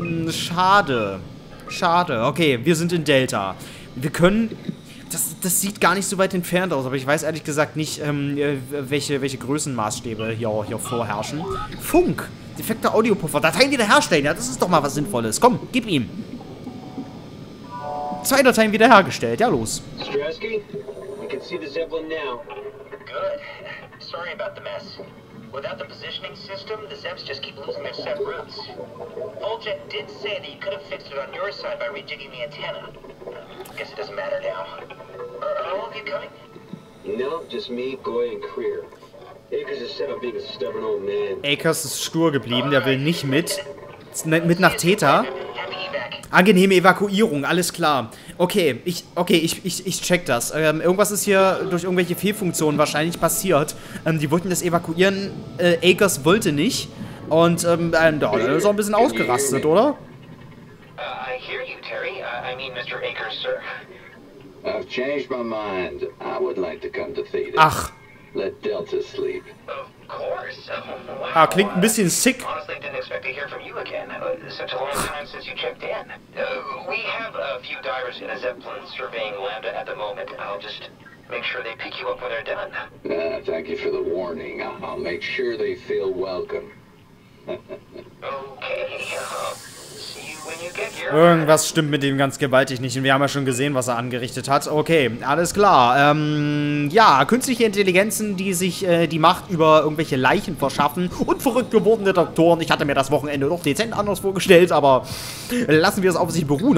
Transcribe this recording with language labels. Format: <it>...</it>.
<de>Schade. Schade. Okay, wir sind in Delta. Wir können... Das sieht gar nicht so weit entfernt aus, aber ich weiß ehrlich gesagt nicht, welche Größenmaßstäbe hier vorherrschen. Funk! Defekter Audiopuffer. Dateien wiederherstellen. Ja, das ist doch mal was Sinnvolles. Komm, gib ihm. Zwei Dateien wiederhergestellt. Ja, los.</de> <en>Strasky, we can see the Zeppelin now. Good. Sorry about the mess. Without the positioning system, the Zeps just keep losing their set routes. Voljet did say that you could have fixed it on your side by rejigging the antenna. Guess it doesn't matter now. Are all of you coming? No, just me, Goy and Creer. Akers is set on being a stubborn old man.</en> <de>Akers ist stur geblieben, der will nicht mit. Mit nach Theta. Angenehme Evakuierung, alles klar. Okay, ich check das. Irgendwas ist hier durch irgendwelche Fehlfunktionen wahrscheinlich passiert. Die wollten das evakuieren, Akers wollte nicht. Und da ist auch ein bisschen ausgerastet, oder?</de> <en>I hear you, Terry. I mean Mr. Akers, sir. I've changed my mind. I would like to come to Theta.</en> <de>Ach.</de> <en>Let Delta sleep. Of course.</en> <de>Ah, klingt ein bisschen sick.</de> <en>Honestly, didn't expect to hear from you again. Such a long time since you checked in. We have a few divers in a Zeppelin surveying Lambda at the moment. I'll just make sure they pick you up when they're done. Thank you for the warning. I'll make sure they feel welcome.</en> <de>Okay. Irgendwas stimmt mit dem ganz gewaltig nicht. Und wir haben ja schon gesehen, was er angerichtet hat. Okay, alles klar. Ja, künstliche Intelligenzen, die sich die Macht über irgendwelche Leichen verschaffen. Und verrückt gewordene Doktoren. Ich hatte mir das Wochenende doch dezent anders vorgestellt, aber lassen wir es auf sich beruhen.</de>